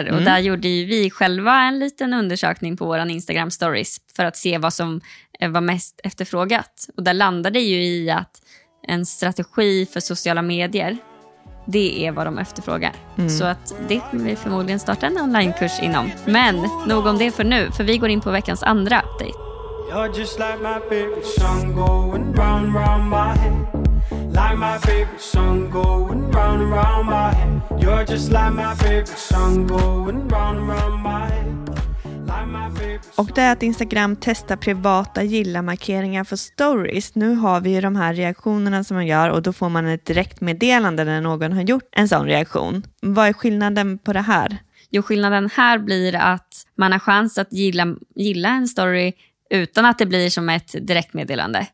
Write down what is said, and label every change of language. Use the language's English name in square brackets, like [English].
[Swedish] Mm. Och där gjorde ju vi själva en liten undersökning på våran Instagram-stories för att se vad som var mest efterfrågat. Och där landade det ju i att en strategi för sociala medier, det är vad de efterfrågar. Mm. Så att det kommer vi förmodligen starta en online-kurs inom. Men nog om det för nu, för vi går in på veckans andra update. [English] You're just like my favorite song going round and round my head. Like my favorite song going round and round my head. You're just like my favorite song going round and round my head. [Swedish] Och det är att Instagram testar privata gilla-markeringar för stories. Nu har vi ju de här reaktionerna som man gör, och då får man ett direktmeddelande när någon har gjort en sån reaktion. Vad är skillnaden på det här? Jo, skillnaden här blir att man har chans att gilla en story utan att det blir som ett direktmeddelande.